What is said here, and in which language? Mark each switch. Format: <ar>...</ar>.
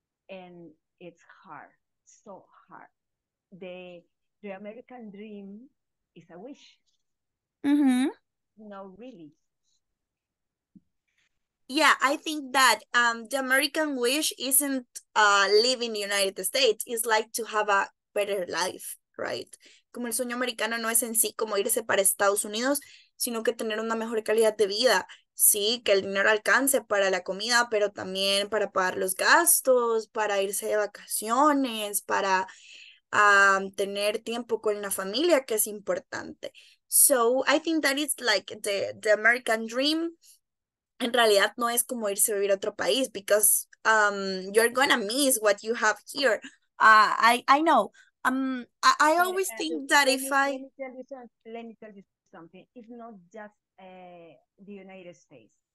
<en>And it's hard, so hard. The American dream is a wish. Mm-hmm. No, really. Yeah, I think that the American wish isn't live in the United States. It's like to have a better life, right?</en> <es>Como el sueño americano no es en sí como irse para Estados Unidos, sino que tener una mejor calidad de vida. Sí, que el dinero alcance para la comida, pero también para pagar los gastos, para irse de vacaciones, para tener tiempo con la familia, que es importante.</es> <en>So, I think that is like the American dream.</en> <es>En realidad no es como irse a vivir a otro país,</es> <en>because you're gonna miss what you have here. I know. I always think that if I... Let me tell you something. It's not just the United States.</en>